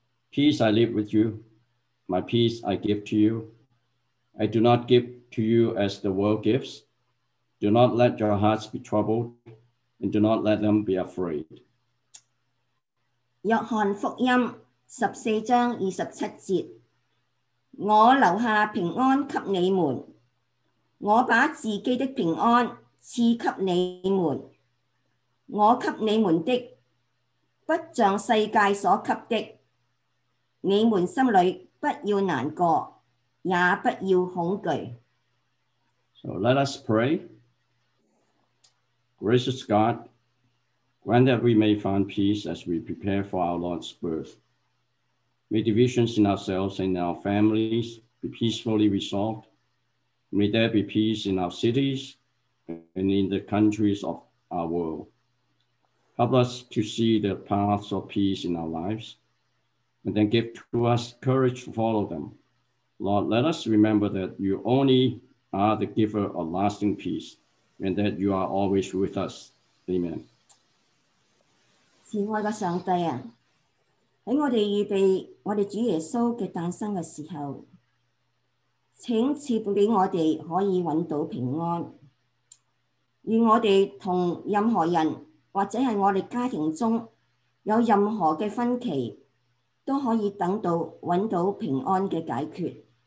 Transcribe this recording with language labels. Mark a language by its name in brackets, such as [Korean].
[English] Peace I leave with you, my peace I give to you. I do not give to you as the world gives. Do not let your hearts be troubled, and do not let them be afraid. [Chinese] 约翰福音十四章二十七节，我留下平安给你们，我把自己的平安赐给你们，我给你们的不像世界所给的，你们心里不要难过，也不要恐惧。 [English] So let us pray. Gracious God, grant that we may find peace as we prepare for our Lord's birth. May divisions in ourselves and our families be peacefully resolved. May there be peace in our cities and in the countries of our world. Help us to see the paths of peace in our lives, and then give to us courage to follow them. Lord, let us remember that you only are the giver of lasting peace, and that you are always with us. Amen. [Chinese] 慈爱的上帝啊，在我们预备我们主耶稣的诞生的时候，请赐福给我们可以找到平安，愿我们同任何人或者是我们家庭中有任何的分歧，都可以等到找到平安的解决。